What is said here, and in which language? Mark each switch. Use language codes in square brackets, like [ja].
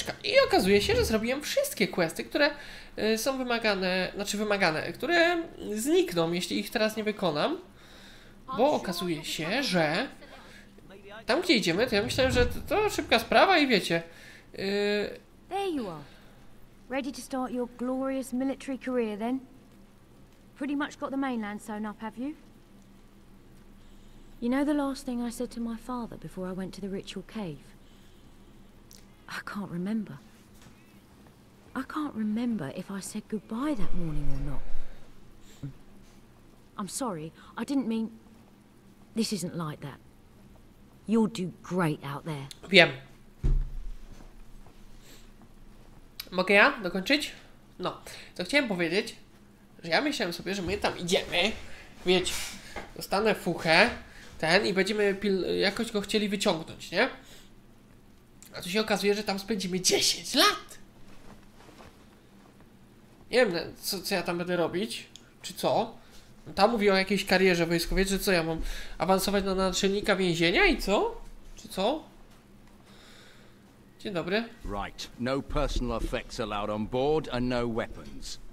[pl] I okazuje się, że zrobiłem wszystkie questy, które są wymagane, znaczy wymagane, które znikną, jeśli ich teraz nie wykonam. Bo okazuje się, że tam, gdzie idziemy, to ja myślałem, że to szybka sprawa i wiecie. [en] There you are. Ready to start your glorious military career then? Pretty much got the mainland sewn up, have you? You know the last thing I said to my father before I went to the ritual cave? I can't remember. I can't remember if I said goodbye that morning or not. I'm sorry, I didn't mean... This isn't like that. You'll do great out there. [pl] Wiem. Mogę ja dokończyć? No, to chciałem powiedzieć, że ja myślałem sobie, że my tam idziemy. Wiecie, dostanę fuchę. Ten i będziemy jakoś go chcieli wyciągnąć, nie? A tu się okazuje, że tam spędzimy 10 lat! Nie wiem, co ja tam będę robić, czy co. Tam mówi o jakiejś karierze wojskowej, że co, ja mam awansować na naczelnika więzienia i co? Czy co? Dzień dobry. [en] Right, no personal effects allowed on board and no weapons.